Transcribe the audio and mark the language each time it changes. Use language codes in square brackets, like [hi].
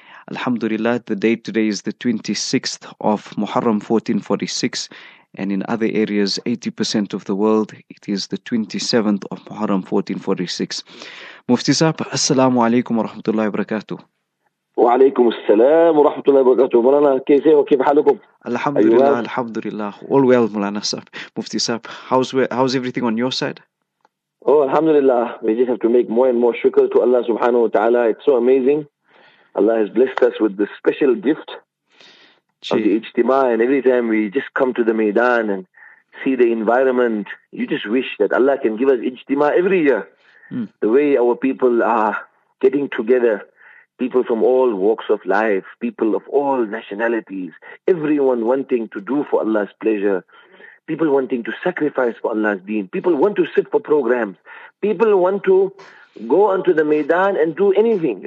[en] Alhamdulillah, the date today is the 26th of Muharram 1446, and in other areas, 80% of the world, it is the 27th of Muharram 1446. [ar] Mufti Sahab, Assalamu alaikum wa rahmatullahi wa barakatuh. وعليكم السلام ورحمة الله وبركاته مولانا كيف وكيف حالكم؟ الحمد أيوة. لله الحمد لله [en] all well مولانا صاحب مفتي صاحب how's everything on your side؟ oh [ar] الحمد لله [en] we just have to make more and more شكر to Allah [ar] سبحانه وتعالى [en] it's so amazing Allah has blessed us with this special gift of the اجتماع and every time we just come to the ميدان and see the environment you just wish that Allah can give us اجتماع every year the way our people are getting together People from all walks of life, people of all nationalities, everyone wanting to do for Allah's pleasure, people wanting to sacrifice for Allah's deen, people want to sit for programs, people want to go onto the Maidan and do anything.